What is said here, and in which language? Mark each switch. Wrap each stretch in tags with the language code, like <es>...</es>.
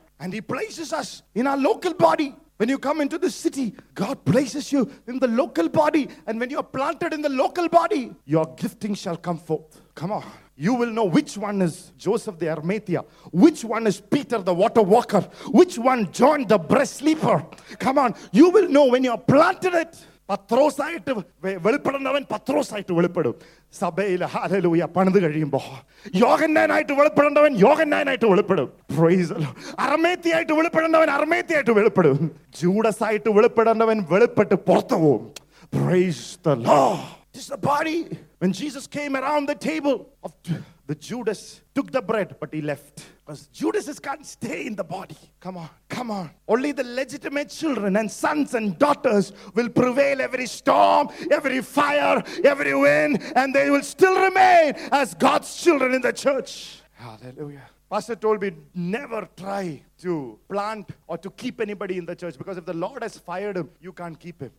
<en>And he places us in our local body. When you come into the city, God places you in the local body. And when you are planted in the local body, your gifting shall come forth. Come on. You will know which one is Joseph the Arimathea, which one is Peter the water walker, which one John the breast sleeper. Come on. You will know when you are planted it.</en> <ml>പത്രോസായിട്ട് വെളിപ്പെടുന്നവൻ പത്രോസായിട്ട് വെളിപ്പെടും സഭയിൽ. Hallelujah. പണിത് കഴിയുമ്പോ യോഹന്നാനായിട്ട് വെളിപ്പെടേണ്ടവൻ യോഹന്നാനായിട്ട് വെളിപ്പെടും.</ml> <en>Praise the Lord.</en> <ml>അർമേത്തിയായിട്ട് വെളിപ്പെടേണ്ടവൻ അർമേത്തിയായിട്ട് വെളിപ്പെടും. ജൂഡസായിട്ട് വെളിപ്പെടേണ്ടവൻ വെളിപ്പെട്ട് പുറത്തു പോകും.</ml> <en>Praise the Lord. This the body. When Jesus came around the table of the Judas took the bread but he left because Judas can stay in the body. Come on. Only the legitimate children and sons and daughters will prevail every storm, every fire, every wind, and they will still remain as God's children in the church. Hallelujah. Pastor told me never try to plant or to keep anybody in the church, because if the Lord has fired him, you can't keep him.</en>